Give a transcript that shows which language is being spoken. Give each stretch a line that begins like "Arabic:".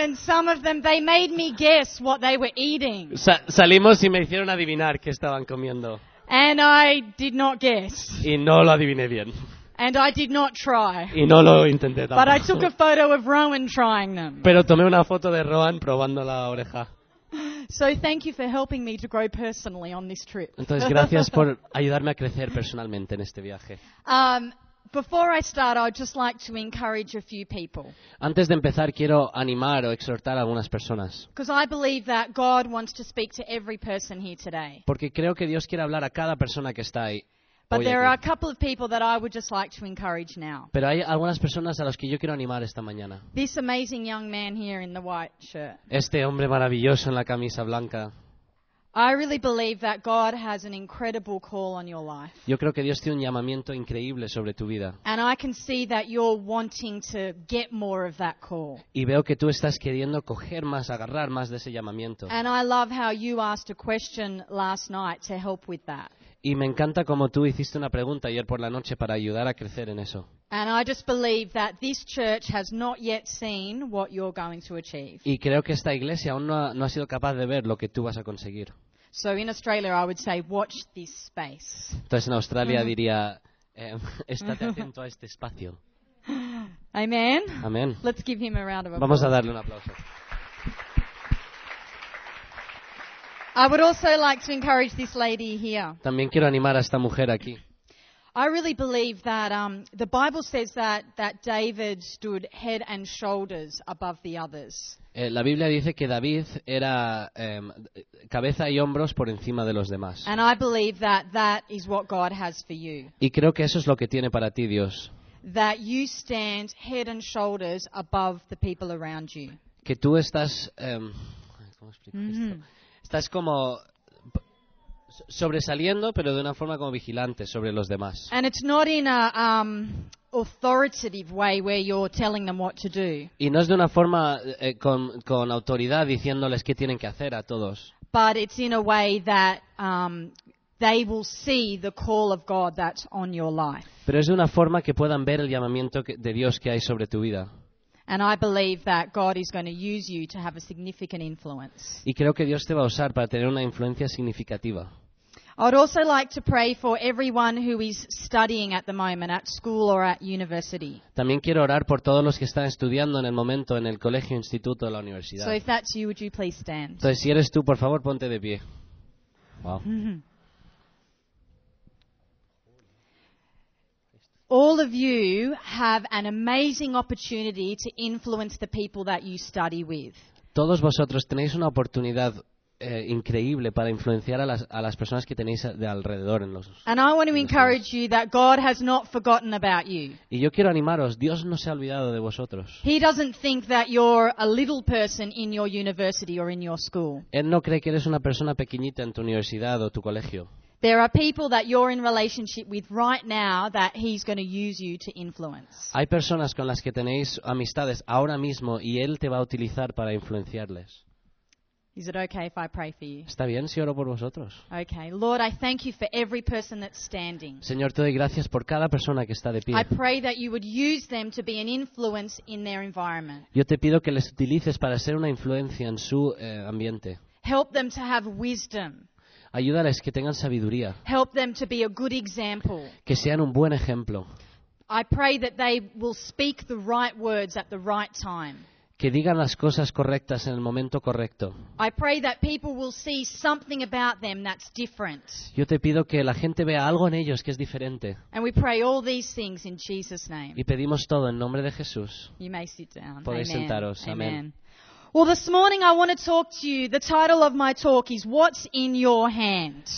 English: And some of them, they made me guess what they were eating.
Spanish: Salimos y me hicieron adivinar qué estaban comiendo.
English: And I did not guess.
Spanish: Y no lo adiviné bien.
English: And I did not try.
Spanish: Y no lo intenté tampoco.
English: But I took a photo of Rowan trying them.
Spanish: Pero tomé una foto de Rowan probando la oreja.
English: So thank you for helping me to grow personally on this trip.
Spanish: Entonces gracias por ayudarme a crecer personalmente en este viaje.
English: Before I start, I'd just like to encourage a few people.
Spanish: Antes de empezar, quiero animar o exhortar a algunas personas.
English: Because I believe that God wants to speak to every person here today.
Spanish: Porque creo que Dios quiere hablar a cada persona que está ahí.
English: But there are a couple of people that I would just like to encourage now.
Spanish: Pero hay algunas personas a las que yo quiero animar esta mañana.
English: This amazing young man here in the white shirt.
Spanish: Este hombre maravilloso en la camisa blanca.
English: I really believe that God has an incredible call on your life.
Spanish: Yo creo que Dios tiene un llamamiento increíble sobre tu vida.
English: And I can see that you're wanting to get more of that call.
Spanish: Y veo que tú estás queriendo coger más, agarrar más de ese llamamiento.
English: And I love how you asked a question last night to help with that.
Spanish: Y me encanta cómo tú hiciste una pregunta ayer por la noche para ayudar a crecer en eso.
English: And I just believe that this church has not yet seen what you're going to achieve.
Spanish: Y creo que esta iglesia aún no ha sido capaz de ver lo que tú vas a conseguir.
English: So in Australia I would say watch this space.
Spanish: Entonces en Australia diría estate atento a este espacio.
English: Amen. Amen. Let's give him a round of applause.
Spanish: Vamos a darle un aplauso.
English: I would also like to encourage this lady here.
Spanish: También quiero animar a esta mujer aquí.
English: I really believe that the Bible says that David stood head and shoulders above the others.
Spanish: La Biblia dice que David era cabeza y hombros por encima de los demás.
English: And I believe that is what God has for you.
Spanish: Y creo que eso es lo que tiene para ti Dios.
English: That you stand head and shoulders above the people around you.
Spanish: Que tú estás ¿cómo explico esto? Estás como sobresaliendo, pero de una forma como vigilante sobre los demás.
English: And it's not in a authoritative way where you're telling them what to do.
Spanish: Y no es de una forma con autoridad diciéndoles qué tienen que hacer a todos.
English: But it's in a way that they will see the call of God that's on your life.
Spanish: Pero es de una forma que puedan ver el llamamiento de Dios que hay sobre tu vida.
English: And I believe that God is going to use you to have a significant influence.
Spanish: Y creo que Dios te va a usar para tener una influencia significativa.
English: I'd also like to pray for everyone who is studying at the moment, at school or at university.
Spanish: También quiero orar por todos los que están estudiando en el momento en el colegio, instituto o la universidad.
English: So if that's you, would you please stand?
Spanish: Entonces, si eres tú, por favor, ponte de pie.
English: Wow. All of you have an amazing opportunity to influence the people that you study with.
Spanish: Todos vosotros tenéis una oportunidad increíble para influenciar a las personas que tenéis de alrededor en los.
English: And I want to encourage you that God has not forgotten about you.
Spanish: Y yo quiero animaros, Dios no se ha olvidado de vosotros.
English: He doesn't think that you're a little person in your university or in your school.
Spanish: Él no cree que eres una persona pequeñita en tu universidad o tu colegio.
English: There are people that you're in relationship with right now that he's going to use you to influence.
Spanish: Hay personas con las que tenéis amistades ahora mismo y él te va a utilizar para influenciarles.
English: Is it okay if I pray for you?
Spanish: ¿Está bien si oro por vosotros?
English: Okay. Lord, I thank you for every person that's standing.
Spanish: Señor, te doy gracias por cada persona que está de pie.
English: I pray that you would use them to be an influence in their environment.
Spanish: Yo te pido que les utilices para ser una influencia en su ambiente.
English: Help them to have wisdom.
Spanish: Ayúdales que tengan sabiduría.
English: Help them to be a good example.
Spanish: Que sean un buen ejemplo.
English: I pray that they will speak the right words at the right time.
Spanish: Que digan las cosas correctas en el momento correcto.
English: I pray that people will see something about them that's different.
Spanish: Yo te pido que la gente vea algo en ellos que es diferente.
English: And we pray all these things in Jesus' name.
Spanish: Y pedimos todo en nombre de Jesús.
English: You may sit down.
Spanish: Podéis sentaros. Amén.
English: Well, this morning I want to talk to you. The title of my talk is "What's in Your Hand."